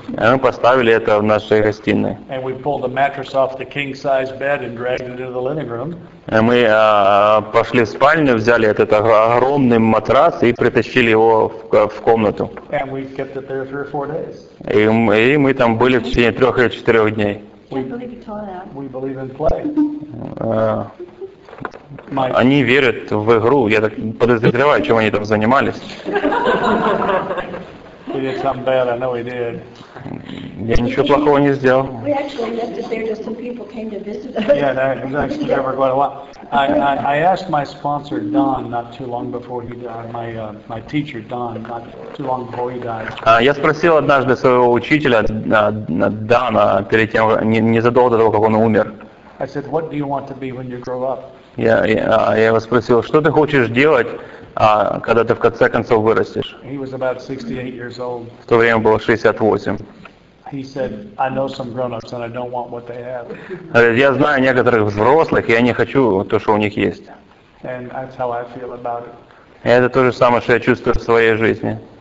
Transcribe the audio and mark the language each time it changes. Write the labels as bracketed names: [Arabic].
[Russian] И мы поставили это в нашей гостиной. [English] And we pulled the mattress off the king size bed and dragged it into the living room. [Russian] И мы пошли в спальню, взяли этот огромный матрас и притащили его в комнату. [English] And we kept it there 3 or 4 days. [Russian] И мы там были в течение 3 или 4 дней. [English] We believe in play. [Russian] Они верят в игру. Я так подозреваю, чем они там занимались. [English] He did something bad. I know he did. [Russian] Я ничего плохого не сделал. [English] We actually left it there till some people came to visit us. Yeah, that was actually never quite a lot. I asked my sponsor Don not too long before he died. My teacher Don not too long before he died. [Russian] Я спросил однажды своего учителя Дана перед тем незадолго до того, как он умер. [English] I said, "What do you want to be when you grow up?" [Russian] Я его спросил, что ты хочешь делать, когда ты в конце концов вырастешь? [English] He was about 68 years old. [Russian] В то время было 68. [English] He said, "I know some grown-ups, and I don't want what they have." [Russian] Я знаю некоторых взрослых, и я не хочу то, что у них есть. [English] And that's how I feel about it. [Russian] И это то же самое, что я чувствую в своей жизни.